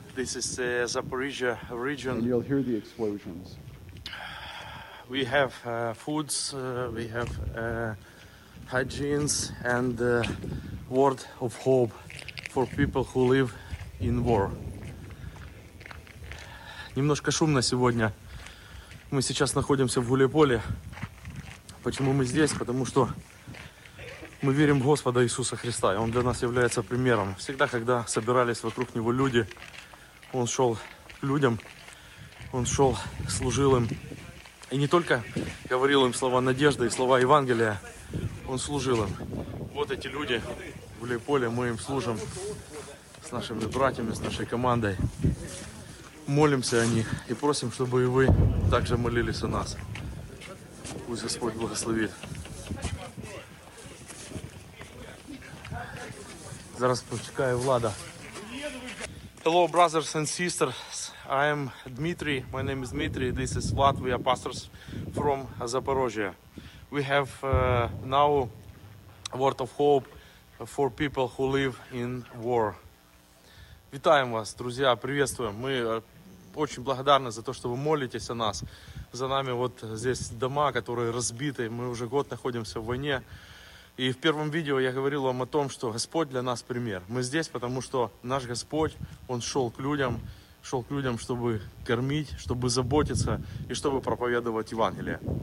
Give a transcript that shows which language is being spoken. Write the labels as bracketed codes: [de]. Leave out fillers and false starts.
[en] This is the Zaporizhia region. And you'll hear the explosions. We have foods, we have hygienes, and a word of hope for people who live in war. [ru] Немножко шумно сегодня. Мы сейчас находимся в Huleypole. Почему мы здесь? Потому что мы верим в Господа Иисуса Христа, и Он для нас является примером. Всегда, когда собирались вокруг Него люди, Он шел к людям, Он шел, служил им. И не только говорил им слова надежды и слова Евангелия, Он служил им. Вот эти люди в Huleypole, мы им служим с нашими братьями, с нашей командой. Молимся о них и просим, чтобы и вы также молились о нас. Пусть Господь благословит. [uk] Зараз почекаю Влада. [en] Hello, brothers and sisters. I am Dmitry. My name is Dmitry. This is Vlad. We are pastors from Zaporozhye. We have now a word of hope for people who live in war. [uk] Вітаємо вас, [ru] друзья. Приветствуем. Мы очень благодарны за то, что вы молитесь о нас. За нами вот здесь дома, которые разбиты. Мы уже год находимся в войне. И в первом видео я говорил вам о том, что Господь для нас пример. Мы здесь, потому что наш Господь, Он шел к людям, чтобы кормить, чтобы заботиться и чтобы проповедовать Евангелие.